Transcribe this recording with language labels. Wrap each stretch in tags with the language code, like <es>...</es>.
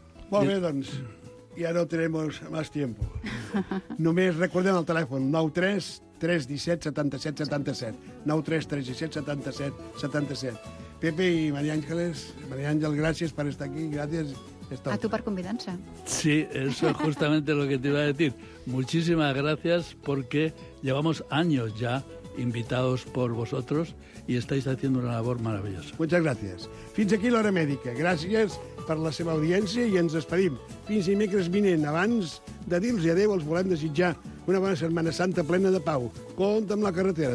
<ca>Molt bé, doncs, ja</ca> <es>no tenemos más tiempo.</es> <ca>Només recordem el telèfon, 93-317-7777. 93-317-7777. Pepe i Maria Àngeles, Maria Àngeles, gràcies per estar aquí, gràcies. A tu per convidança.</ca> <es>Sí, eso es justamente lo que te iba a decir. Muchísimas gracias porque llevamos años ya invitados por vosotros y estáis haciendo una labor maravillosa. Muchas gracias.</es> <ca>Fins aquí l'Hora Mèdica. Gràcies per la seva audiència i ens despedim. Fins dimecres vinent. Abans de dir-los adéu, els volem desitjar una bona Setmana Santa plena de pau. Compte amb la carretera.</ca>